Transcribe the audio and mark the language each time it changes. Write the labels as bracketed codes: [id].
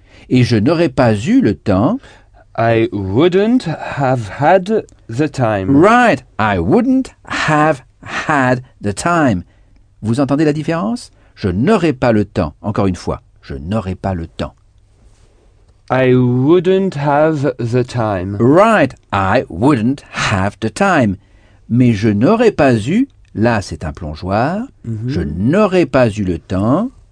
[fr] Et je n'aurais pas eu le temps. [en] I wouldn't have had the time. Right. I wouldn't have had the time. [fr] Vous entendez la différence? Je n'aurais pas le temps. Encore une fois, je n'aurais pas le temps. [en] I wouldn't have the time. Right. I wouldn't have the time. [fr] Mais je n'aurais pas eu, là c'est un plongeoir, je n'aurais pas eu le temps.